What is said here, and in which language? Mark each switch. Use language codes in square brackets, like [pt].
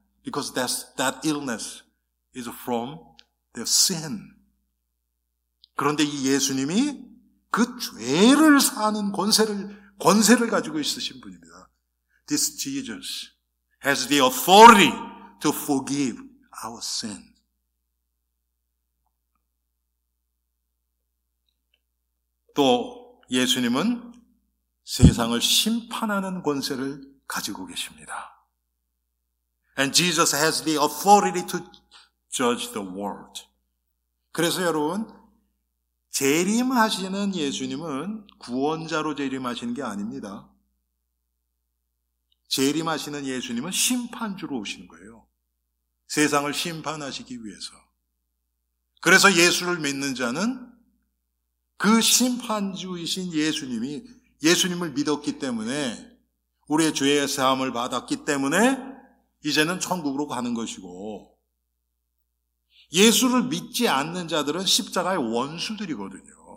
[en] Because that illness is from their sin. [ko] 그런데 이 예수님이 그 죄를 사는 권세를 가지고 있으신 분입니다. [en] This Jesus has the authority to forgive our sin. [ko] 또 예수님은 세상을 심판하는 권세를 가지고 계십니다. [en] And Jesus has the authority to judge the world. [ko] 그래서 여러분, 재림하시는 예수님은 구원자로 재림하시는 게 아닙니다. 재림하시는 예수님은 심판주로 오시는 거예요. 세상을 심판하시기 위해서. 그래서 예수를 믿는 자는 그 심판주이신 예수님을 믿었기 때문에 우리의 죄의 사함을 받았기 때문에 이제는 천국으로 가는 것이고 예수를 믿지 않는 자들은 십자가의 원수들이거든요.